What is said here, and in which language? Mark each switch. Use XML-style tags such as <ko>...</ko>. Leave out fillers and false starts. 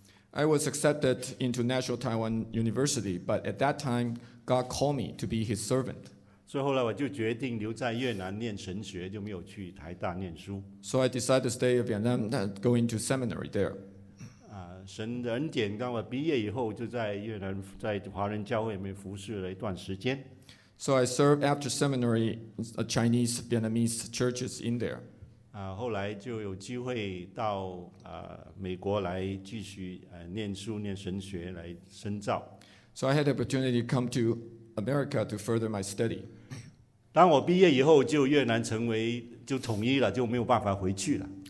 <en>I was accepted into National Taiwan University, but at that time, God called me to be His servant.</en> <zh>所以后来我就决定留在越南念神学，就没有去台大念书。</zh> <en>So I decided to stay in Vietnam, go into seminary there.</en> <zh>神的恩典，当我毕业以后，就在越南在华人教会里面服侍了一段时间。</zh> <en>So I served after seminary, Chinese Vietnamese churches in there.</en> <zh>后来就有机会到美国来继续念书念神学来深造。</zh> <en>So I had the opportunity to come to America to further my study.</en> <zh>当我毕业以后，就越南成为就统一了，就没有办法回去了。</zh>